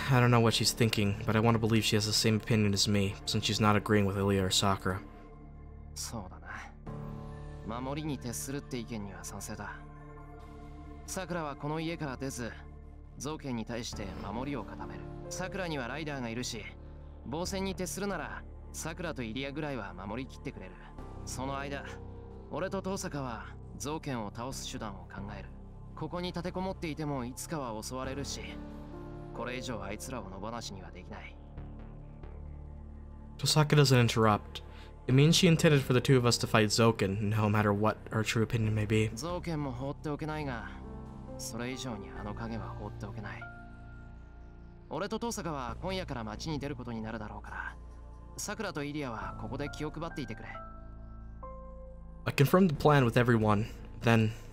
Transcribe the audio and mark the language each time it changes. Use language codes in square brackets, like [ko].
[en] I don't know what she's thinking, but I want to believe she has the same opinion as me, since she's not agreeing with Illya or Sakura. [ja] そうだな。守りに徹するって意見には賛成だ。サクラはこの家から出ず、造剣に対して守りを固める。サクラにはライダーがいるし、防戦に徹するなら、サクラとイリアぐらいは守りきってくれる。その間、俺と遠坂は造剣を倒す手段を考える。ここに立てこもっていてもいつかは襲われるし、これ以上あいつらを野放しにはできない。 [en] Tosaka doesn't interrupt. It means she intended for the two of us to fight Zoken, no matter what her true opinion may be. [ja] Zoken も放っておけないが、それ以上にあの影は放っておけない。俺と遠坂は今夜から町に出ることになるだろうから、サクラとイリアはここで気を配っていてくれ。 [en] I confirmed the plan with everyone, then...